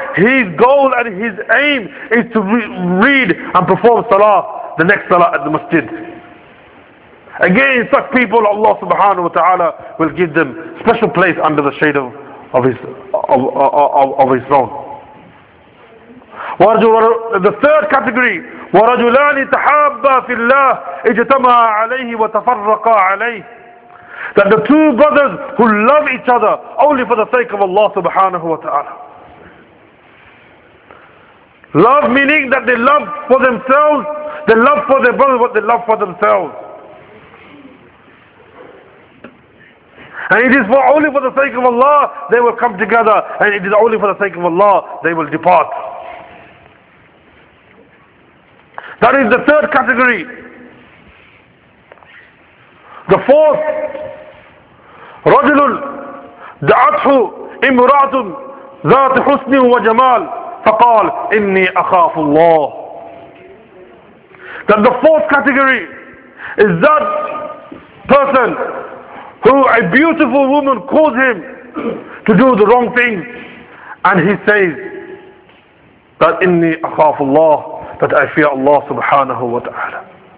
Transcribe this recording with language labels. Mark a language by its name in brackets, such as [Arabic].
[English] His goal and his aim is to read and perform salah, the next salah at the masjid. Again, such people, Allah subhanahu wa ta'ala will give them special place under the shade of his throne. The third category, [Arabic] وَرَجُلَانِ تَحَابَّ فِي اللَّهِ اجْتَمَعَ عَلَيْهِ وَتَفَرَّقَ عَلَيْهِ. [English] That the two brothers who love each other only for the sake of Allah subhanahu wa ta'ala. Love meaning that they love for themselves, they love for their brother, but they love for themselves. And it is only for the sake of Allah they will come together, and it is only for the sake of Allah they will depart. That is the third category. The fourth, [Arabic] رَجُلٌ دَعَتْهُ إِمْرَأَةٌ ذَاتِ حُسْنٍ وَجَمَالٍ فَقَالْ إِنِّي أَخَافُ اللَّهِ. [English] Then the fourth category is that person who a beautiful woman calls him to do the wrong thing, and he says that [Arabic] إِنِّي أَخَافُ اللَّهِ, [English] that I fear Allah subhanahu wa ta'ala.